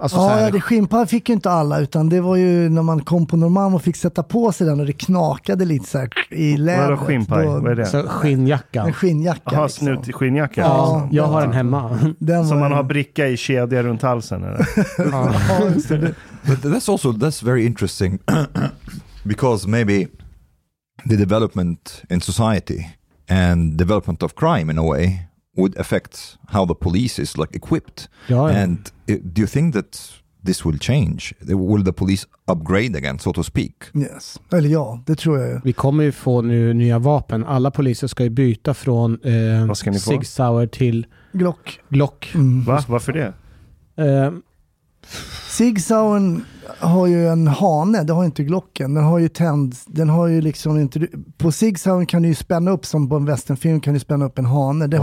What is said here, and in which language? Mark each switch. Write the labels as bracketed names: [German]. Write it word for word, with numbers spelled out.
[Swedish] Alltså, ja, så här... ja, det skinnpaj fick ju inte alla, utan det var ju när man kom på Norrmalm och fick sätta på sig den och det knakade lite så här i lädret. Vad är skinnpaj? Vad är det? Så skinnjacka. En skinnjacka. Aha, liksom. Snut i skinnjacka. Ja, liksom. Jag har den hemma. Den som man har bricka i kedja runt halsen. Eller? Ja. [English] But that's also, that's very interesting because maybe the development in society and development of crime in a way would affect how the police is like equipped. [Swedish] Ja, ja. [English] And do you think that this will change? Will the police upgrade again, so to speak? Yes. [Swedish] Eller ja, det tror jag. Vi kommer ju få nu nya vapen. Alla poliser ska ju byta från eh, Sig Sauer till Glock. Glock. Mm. Va? Varför det? Eh, Sig Sauer har ju en hane, det har inte Glocken. Den har ju tänd, den har ju liksom inte, på Sig Sauer kan du ju spänna upp, som på en västernfilm kan du spänna upp en hane. Det ja.